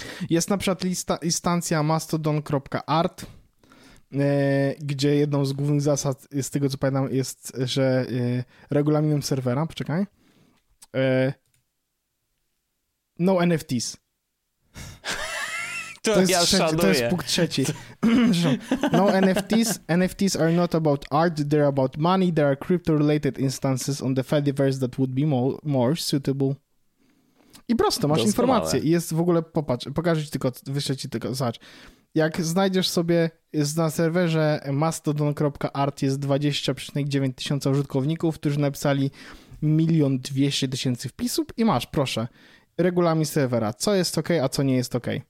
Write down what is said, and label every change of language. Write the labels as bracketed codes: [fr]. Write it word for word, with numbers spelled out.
[pl] Jest na przykład lista, instancja mastodon kropka art, gdzie jedną z głównych zasad, z tego co pamiętam, jest, że regulaminem serwera, poczekaj, [en] no N F Ts. [pl] To, to, jest ja trzeci, to jest punkt trzeci. [en] No N F Ts. N F Ts are not about art, they're about money. There are crypto-related instances on the Fediverse that would be more, more suitable. [pl] I prosto, masz Doskonale. informację. I jest w ogóle, popatrz, pokażę ci tylko, wyślę ci tylko, zobacz. Jak znajdziesz sobie na serwerze mastodon kropka art jest dwadzieścia przecinek dziewięć tysiąca użytkowników, którzy napisali milion dwieście tysięcy wpisów i masz, proszę, regulamin serwera, co jest ok, a co nie jest ok.